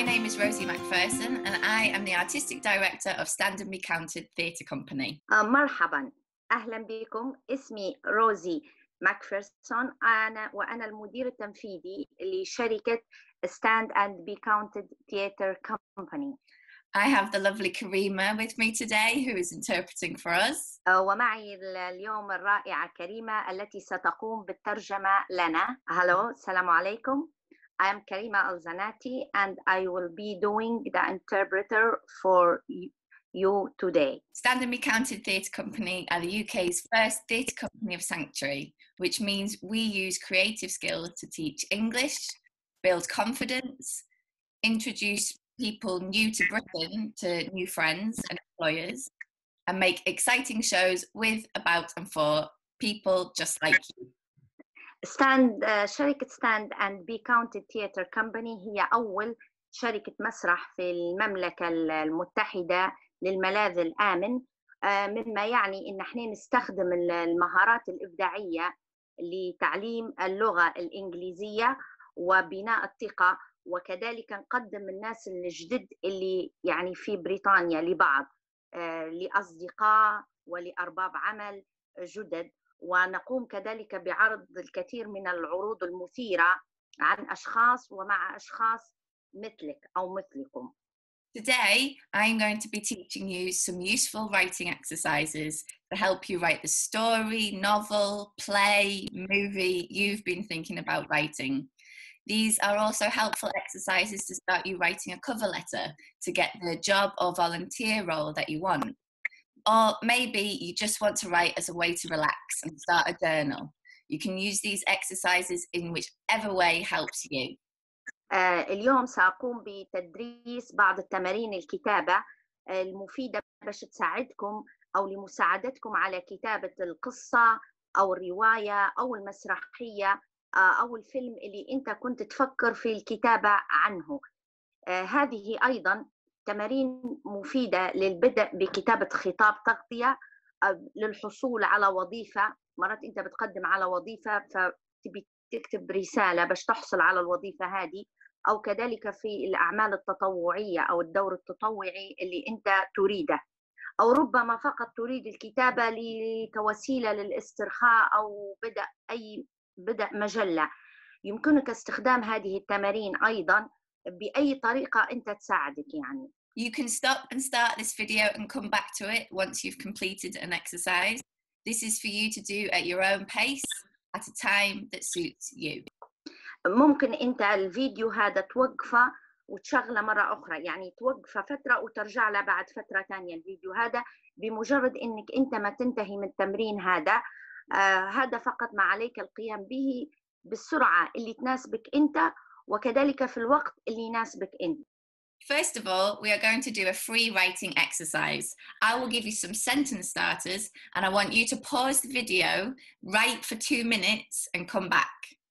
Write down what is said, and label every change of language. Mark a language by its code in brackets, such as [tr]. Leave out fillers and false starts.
[en] is Rosie McPherson and I am the Artistic Director of Stand and Be Counted Theatre Company. [ar] مرحباً. أهلاً بكم. اسمي روزي ماكفيرسون وأنا المدير التنفيذي لشركة Stand and Be Counted Theatre Company. [en] I have the lovely Karima with me today who is interpreting for us. [ar] ومعي اليوم الرائعة كريمة التي ستقوم بالترجمة لنا. [en] Hello, [ar] السلام عليكم. [en] I am Karima Alzanati and I will be doing the interpreter for you today. Stand and Be Counted Theatre Company are the UK's first theatre company of sanctuary, which means we use creative skills to teach English, build confidence, introduce people new to Britain to new friends and employers, and make exciting shows with, about and for people just like you. [ar] شركة Stand and Be Counted Theatre Company هي أول شركة مسرح في المملكة المتحدة للملاذ الآمن مما يعني إن احنا نستخدم المهارات الإبداعية لتعليم اللغة الإنجليزية وبناء الثقة وكذلك نقدم الناس الجدد اللي يعني في بريطانيا لبعض لأصدقاء ولأرباب عمل جدد ونقوم كذلك بعرض الكثير من العروض المثيرة عن أشخاص ومع أشخاص مثلك أو مثلكم. [en] Today, I'm going to be teaching you some useful writing exercises to help you write the story, novel, play, movie you've been thinking about writing. These are also helpful exercises to start you writing a cover letter to get the job or volunteer role that you want. Or maybe you just want to write as a way to relax and start a journal. You can use these exercises in whichever way helps you. [ar] اليوم سأقوم بتدريس بعض التمارين الكتابة المفيدة باش تساعدكم أو لمساعدتكم على كتابة القصة أو الرواية أو المسرحية أو الفيلم اللي أنت كنت تفكر في الكتابة عنه. هذه أيضاً تمارين مفيدة للبدء بكتابة خطاب تغطية للحصول على وظيفة. مرات أنت بتقدم على وظيفة فتبي تكتب رسالة باش تحصل على الوظيفة هذه أو كذلك في الأعمال التطوعية أو الدور التطوعي اللي أنت تريده أو ربما فقط تريد الكتابة لتوسيلة للاسترخاء أو بدأ مجلة. يمكنك استخدام هذه التمارين أيضاً بأي طريقة أنت تساعدك يعني. [en] You can stop and start this video and come back to it once you've completed an exercise. This is for you to do at your own pace at a time that suits you. [ar] ممكن أنت الفيديو هذا توقفه وتشغله مرة أخرى يعني توقفه فترة وترجع له بعد فترة تانية الفيديو هذا بمجرد أنك أنت ما تنتهي من التمرين هذا هذا فقط ما عليك القيام به بالسرعة اللي تناسبك أنت وكذلك في الوقت اللي يناسبك أنت. [en] First of all, we are going to do a free writing exercise. I will give you some sentence starters and I want you to pause the video, write for 2 minutes and come back.